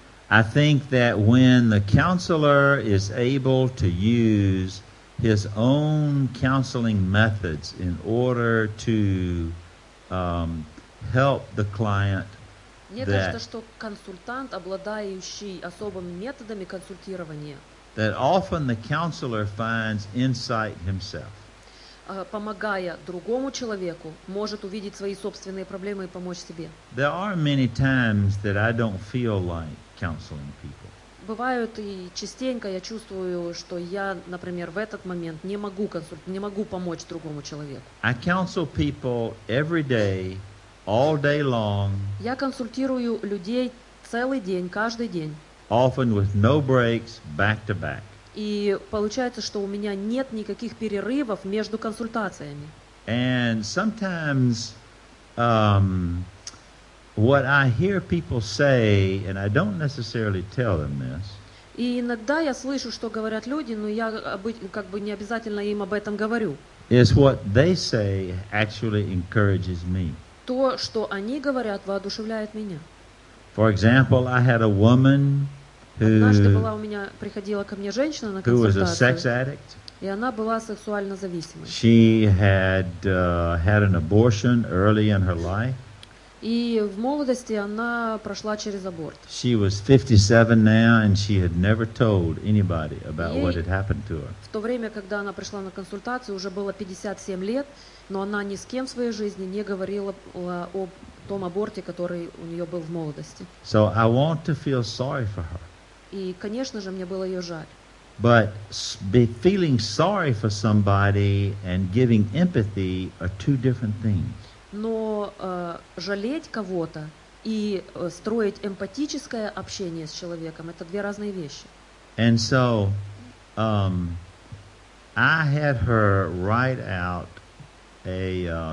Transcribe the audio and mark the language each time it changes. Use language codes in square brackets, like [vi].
[en] I think that when the counselor is able to use his own counseling methods in order to help the client. [ru] Мне кажется, что консультант, обладающий особыми методами консультирования, [en] that often the counselor finds insight himself. [ru] Помогая другому человеку, может увидеть свои собственные проблемы и помочь себе. [en] There are many times that I don't feel like counseling people. [ru] Бывают и частенько я чувствую, что я, например, в этот момент не могу помочь другому человеку. [en] I counsel people every day, all day long. [ru] Я консультирую людей целый день, каждый день. [en] Often with no breaks, back to back. [ru] И получается, что у меня нет никаких перерывов между консультациями. [en] And sometimes what I hear people say, and I don't necessarily tell them this. [ru] И иногда я слышу, что говорят люди, но я как бы не обязательно им об этом говорю. [en] Is what they say actually encourages me. [ru] То, что они говорят, воодушевляет меня. [en] For example, I had a woman [ru] однажды была у меня, приходила ко мне женщина на консультацию, и она была сексуально зависимой. [en] She had had an abortion early in her life. [ru] И в молодости она прошла через аборт. [en] She was 57 now, and she had never told anybody about what had happened to her. [ru] В то время, когда она пришла на консультацию, уже было 57 лет, но она ни с кем в своей жизни не говорила о том аборте, который у нее был в молодости. [en] So I want to feel sorry for her. [ru] И, конечно же, мне было ее жаль. [en] But feeling sorry for somebody and giving empathy are two different things. [ru] Но жалеть кого-то и строить эмпатическое общение с человеком – это две разные вещи. [en] And so, I had her write out a